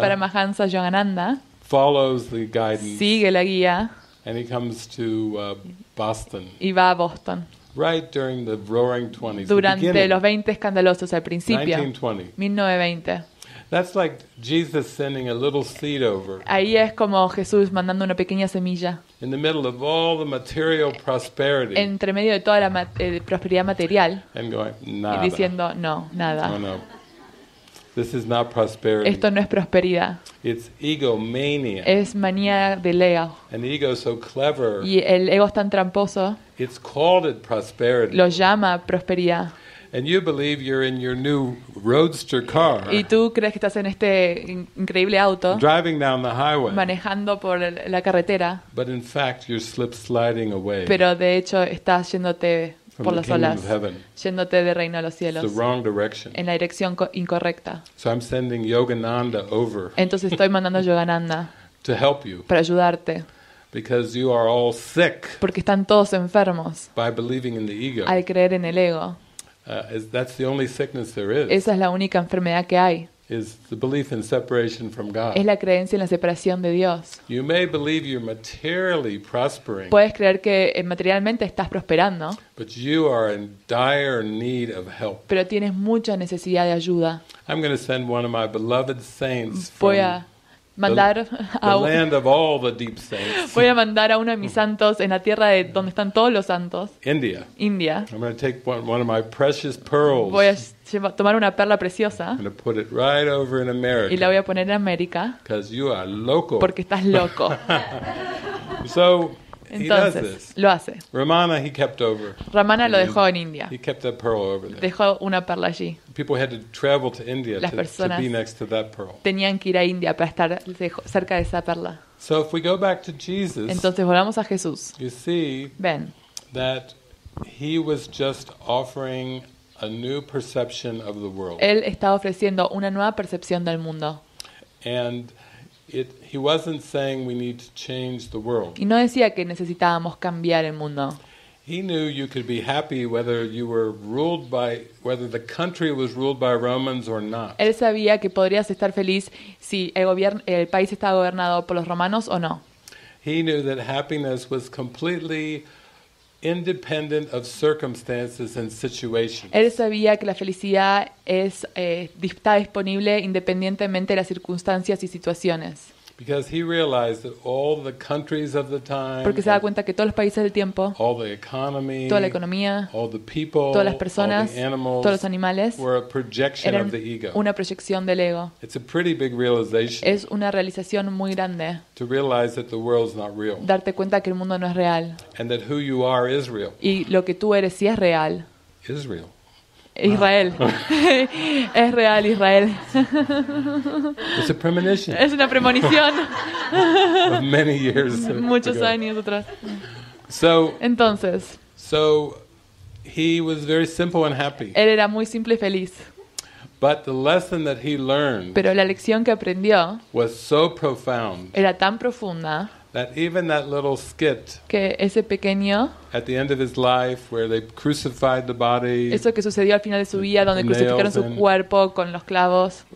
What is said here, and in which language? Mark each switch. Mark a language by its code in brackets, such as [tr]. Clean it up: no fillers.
[en] Paramahansa Yogananda. Follows the guidance. [es] Sigue la guía. [en] And he comes to Boston. [es] Y va a Boston. [en] Right during the roaring 20s. [es] Durante los 20 escandalosos al principio. [en] 1920. [es] 1920. [en] That's like Jesus sending a little seed over. [es] Ahí es como Jesús mandando una pequeña semilla. [en] In the middle of all the material prosperity. [es] Entre medio de toda la prosperidad material. [en] And going, nada. [es] Y diciendo, no, nada. [en] No, no. This is not prosperity. [es] Esto no es prosperidad. [en] It's ego mania. [es] Es manía del ego. [en] And the ego is so clever. [es] Y el ego es tan tramposo. [en] It's called it prosperity. [es] Lo llama prosperidad. [en] And you believe you're in your new roadster car. [es] Y tú crees que estás en este increíble auto. [en] Driving down the highway. [es] Manejando por la carretera. [en] But in fact, you're slip sliding away. [es] Pero de hecho estás yéndote por las olas. [en] From the kingdom of heaven. [es] Yéndote del reino de los cielos. [en] The wrong direction. [es] En la dirección incorrecta. [en] So I'm sending Yogananda over. [es] Entonces estoy mandando a Yogananda. [en] To help you. [es] Para ayudarte. [en] Because you are all sick. [es] Porque están todos enfermos. [en] By believing in the ego. [es] Al creer en el ego. [en] That's the only sickness there is. [es] Esa es la única enfermedad que hay. [en] is the belief in separation from God. [es] Es la creencia en la separación de Dios. [en] You may believe you're materially prospering. [es] Puedes creer que materialmente estás prosperando. [en] But you are in dire need of help. [es] Pero tienes mucha necesidad de ayuda. [en] I'm going to send one of my beloved saints [es] Voy a mandar a uno de mis santos en la tierra de donde están todos los santos. [en] India. [es] India. [en] I'm going to take one of my precious pearls. [es] Voy a tomar una perla preciosa. [en] I'm going to put it right over in America. [es] Y la voy a poner en América. [en] Because you are loco. [es] Porque estás loco. [en] So. [es] Entonces, [en] he does this. [es] Lo hace. [en] Ramana, he kept over. [es] Ramana lo dejó en India. [en] He kept that pearl over there. [es] Dejó una perla allí. [en] People had to travel to India [es] Las personas [en] to be next to that pearl. [es] Tenían que ir a India para estar cerca de esa perla. [en] So if we go back to Jesus, [es] entonces volvamos a Jesús. [en] You see, [es] ven, [en] that he was just offering a new perception of the world. [es] Él estaba ofreciendo una nueva percepción del mundo. [en] And he wasn't saying we need to change the world. [es] Y no decía que necesitábamos cambiar el mundo. [en] He knew you could be happy whether you were ruled by whether the country was ruled by Romans or not. [es] Él sabía que podrías estar feliz si el país estaba gobernado por los romanos o no. [en] He knew that happiness was completely independent of circumstances and situations. [es] Él sabía que la felicidad está disponible independientemente de las circunstancias y situaciones. [en] Because he realized that all the countries of the time, [es] porque se da cuenta que todos los países del tiempo, [en] all the economy, [es] toda la economía, [en] all the people, [es] todas las personas, [en] all the animals, [es] todos los animales, [en] were a projection of the ego. [es] Una proyección del ego. [en] It's a pretty big realization. [es] Es una realización muy grande. [en] To realize that the world's not real. [es] Darte cuenta que el mundo no es real. [en] And that who you are is real. [es] Y lo que tú eres sí es real. [en] Is real. [es] Israel. Es real, Israel. [en] It's a premonition. [es] Es una premonición. [en] Of many years [es] ago. Muchos años atrás. [en] So, [es] entonces. [en] So he was very simple and happy. [es] Él era muy simple y feliz. [en] But the lesson that he learned, [es] pero la lección que aprendió, [en] was so profound. [es] Era tan profunda. [en] That even that little skit, [es] que ese pequeño, [en] at the end of his life, where they crucified the body, [es] eso que sucedió al final de su vida, donde crucificaron su cuerpo con los clavos,